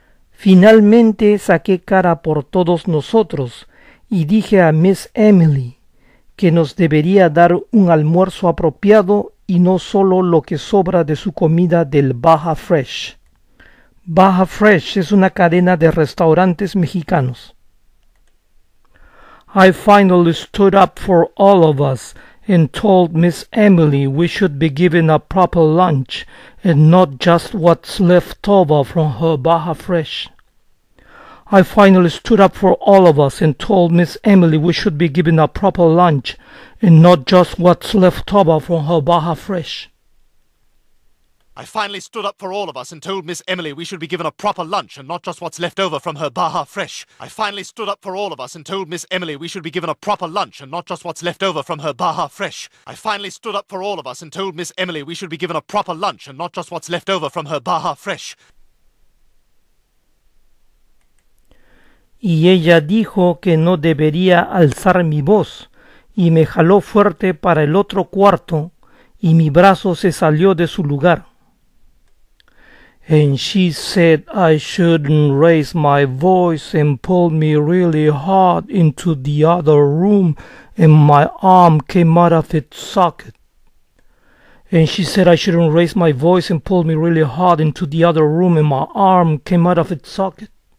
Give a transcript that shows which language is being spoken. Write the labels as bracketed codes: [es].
[es] Finalmente saqué cara por todos nosotros y dije a Miss Emily que nos debería dar un almuerzo apropiado y no solo lo que sobra de su comida del Baja Fresh. Baja Fresh es una cadena de restaurantes mexicanos. [en] I finally stood up for all of us and told Miss Emily we should be given a proper lunch and not just what's left over from her Baja Fresh. I finally stood up for all of us and told Miss Emily we should be given a proper lunch and not just what's left over from her Baja Fresh. I finally stood up for all of us and told Miss Emily we should be given a proper lunch and not just what's left over from her Baja Fresh. I finally stood up for all of us and told Miss Emily we should be given a proper lunch and not just what's left over from her Baja Fresh. I finally stood up for all of us and told Miss Emily we should be given a proper lunch and not just what's left over from her Baja Fresh. [es] Y ella dijo que no debería alzar mi voz, y me jaló fuerte para el otro cuarto, y mi brazo se salió de su lugar. [en] And she said I shouldn't raise my voice and pulled me really hard into the other room, and my arm came out of its socket. And she said I shouldn't raise my voice and pulled me really hard into the other room, and my arm came out of its socket.